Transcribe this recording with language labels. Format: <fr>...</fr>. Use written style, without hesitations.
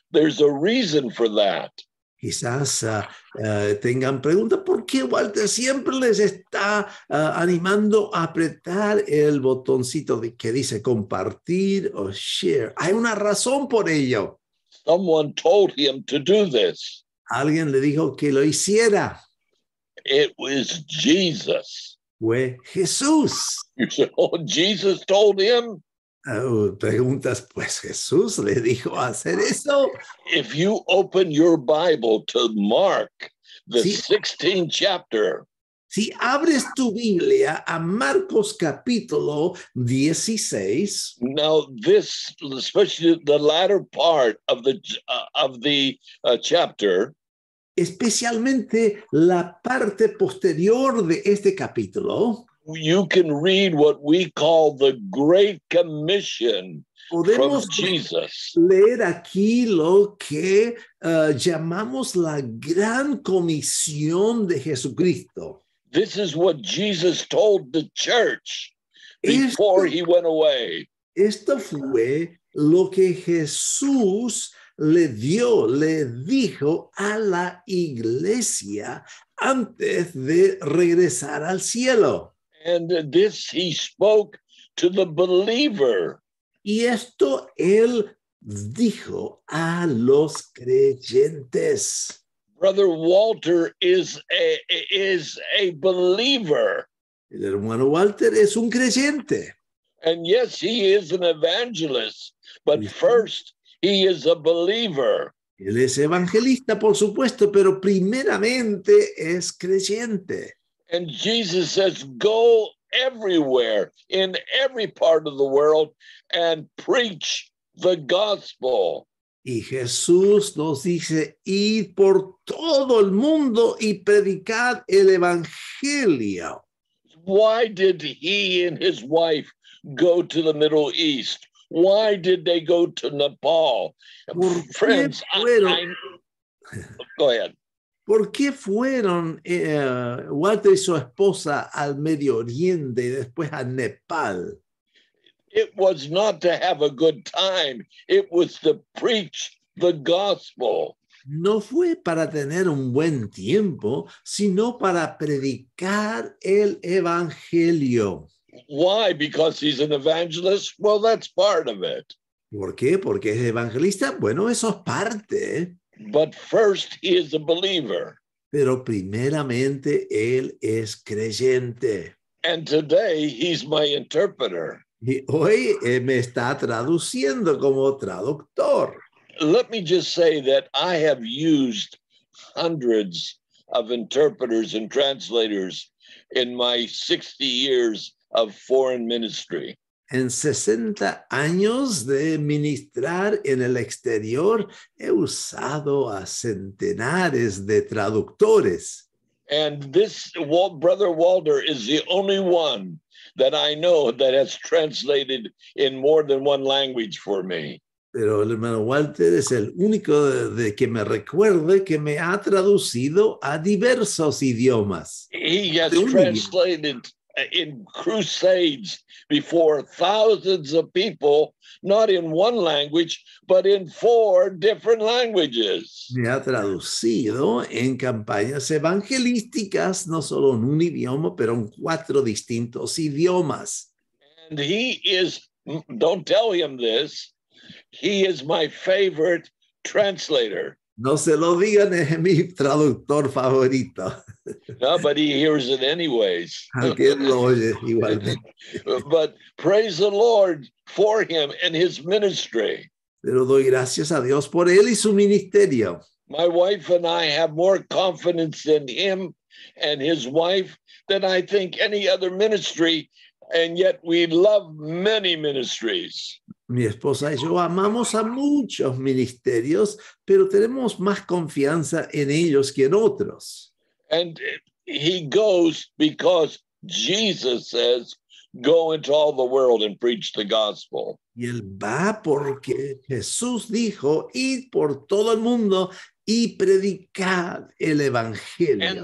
<en>There's a reason for that.</en> <es>Quizás tengan pregunta, ¿por qué Walter siempre les está animando a apretar el botoncito que dice compartir o share? Hay una razón por ello.</es> <en>Someone told him to do this.</en> <es>Alguien le dijo que lo hiciera.</es> <en>It was Jesus.</en> <es>Fue Jesús.</es> <en>You said, oh, Jesus told him.</en> <es>Preguntas, pues Jesús le dijo hacer eso.</es> <en>If you open your Bible to Mark, the 16th chapter.</en> <es>Si abres tu Biblia a Marcos capítulo 16.</es> <en>Now this, especially the latter part of the chapter.</en> <es>Especialmente la parte posterior de este capítulo.</es> <en>You can read what we call the Great Commission from Jesus.</en> <es>Leer aquí lo que llamamos la Gran Comisión de Jesucristo.</es> <en>This is what Jesus told the church before he went away.</en> <es>Esto fue lo que Jesús le dio, le dijo a la iglesia antes de regresar al cielo.</es> <en>And this he spoke to the believer.</en> <es>Y esto él dijo a los creyentes.</es> <en>Brother Walter is a believer.</en> <es>El hermano Walter es un creyente.</es> <en>And yes, he is an evangelist, but first he is a believer.</en> <es>Él es evangelista, por supuesto, pero primeramente es creyente.</es> <en>And Jesus says, go everywhere, in every part of the world, and preach the gospel.</en> <es>Y Jesús nos dice, id por todo el mundo y predicad el evangelio.</es> <en>Why did he and his wife go to the Middle East? Why did they go to Nepal? Friends, go ahead.</en> <es>¿Por qué fueron Walter y su esposa al Medio Oriente y después a Nepal?</es> <en>It was not to have a good time. It was to preach the gospel.</en> <es>No fue para tener un buen tiempo, sino para predicar el evangelio.</es> <en>Why? Because he's an evangelist? Well, that's part of it.</en> <es>¿Por qué? Porque es evangelista. Bueno, eso es parte.</es> <en>But first, he is a believer.</en> <es>Pero primeramente, él es creyente.</es> <en>And today, he's my interpreter.</en> <es>Y hoy me está traduciendo como traductor.</es> <en>Let me just say that I have used hundreds of interpreters and translators in my 60 years of foreign ministry.</en> <es>En 60 años de ministrar en el exterior, he usado a centenares de traductores.</es> <en>And this brother Walter is the only one that I know that has translated in more than one language for me.</en> <es>Pero el hermano Walter es el único de que me recuerde que me ha traducido a diversos idiomas.</es> <en>He has translated in crusades before thousands of people, not in one language, but in four different languages.</en> <es>Me ha traducido en campañas evangelísticas, no solo en un idioma, pero en cuatro distintos idiomas.</es> <en>And he is, don't tell him this, he is my favorite translator.</en> <es>No se lo digan, es mi traductor favorito.</es> <en>No, but he hears it anyways.</en> <es>Aunque él lo oye igualmente.</es> <en>But praise the Lord for him and his ministry.</en> <es>Pero doy gracias a Dios por él y su ministerio.</es> <en>My wife and I have more confidence in him and his wife than I think any other ministry, and yet we love many ministries.</en> <es>Mi esposa y yo amamos a muchos ministerios, pero tenemos más confianza en ellos que en otros.</es> <en>And he goes because Jesus says, go into all the world and preach the gospel.</en> <es>Y él va porque Jesús dijo, id por todo el mundo y predicad el evangelio.</es>